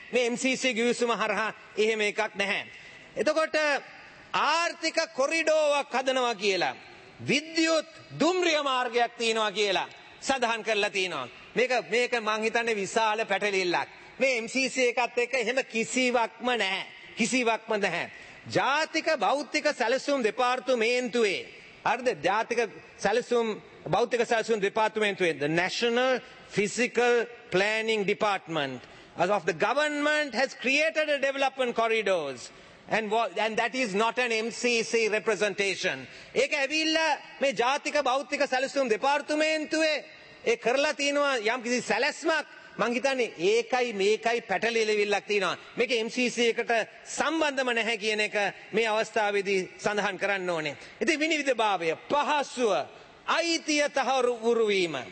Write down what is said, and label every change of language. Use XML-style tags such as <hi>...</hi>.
<si>මේ MCC ගිවිසුම හරහා එහෙම එකක් නැහැ. එතකොට ආර්ථික කොරිඩෝවක් හදනවා කියලා විද්‍යුත් දුම්රිය මාර්ගයක් තියෙනවා කියලා සඳහන් කරලා තියෙනවා. මේක මං හිතන්නේ විශාල පැටලිල්ලක්. මේ MCC එකත් එක්ක එහෙම කිසිවක්ම නැහැ. කිසිවක්ම නැහැ. ජාතික භෞතික සැලසුම් දෙපාර්තමේන්තුවේ හරිද? ජාතික සැලසුම් භෞතික සැලසුම් දෙපාර්තමේන්තුවේ</si> <en>the National Physical Planning Department as of the government has created a development corridors and that is not an MCC representation.</en> <si>ඒක ඇවිල්ලා මේ ජාතික භෞතික සැලසුම් දෙපාර්තමේන්තුවේ ඒ කරලා තිනවා යම් කිසි සැලැස්මක්. මං හිතන්නේ මේකයි පැටලෙලිවිල්ලක් තිනවා. මේක MCC එකට සම්බන්ධම නැහැ කියන එක මේ අවස්ථාවේදී සඳහන් කරන්න ඕනේ. ඉතින් විනිවිදභාවය පහසුව අයිතිය තහවුරු වීම.</si>